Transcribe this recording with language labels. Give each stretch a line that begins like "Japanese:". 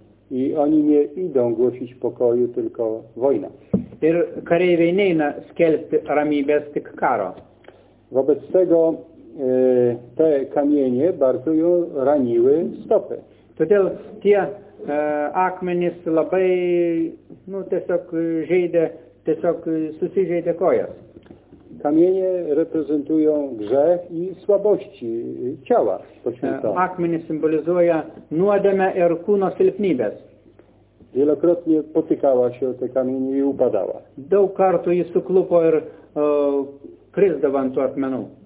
Polish: I oni nie idą głosić pokoju, tylko wojna.
Lithuanian: Ir kareiviai neina skelbti ramybės, tik karo.
Polish: Wobec tego te kamienie bardzo ją raniły stopy.
Lithuanian: Todėl tie akmenys labai, nu, tiesiog žeidė, tiesiog susižeidė kojas.
Polish: Kamienie reprezentują grzech i słabości ciała.
Lithuanian: Akmenys symbolizuoja nuodėmę ir kūno silpnybės.
Polish: Wielokrotnie potykała się o te kamienie i upadała.
Lithuanian: Daug kartų jis suklupo ir krisdavo ant tų akmenų.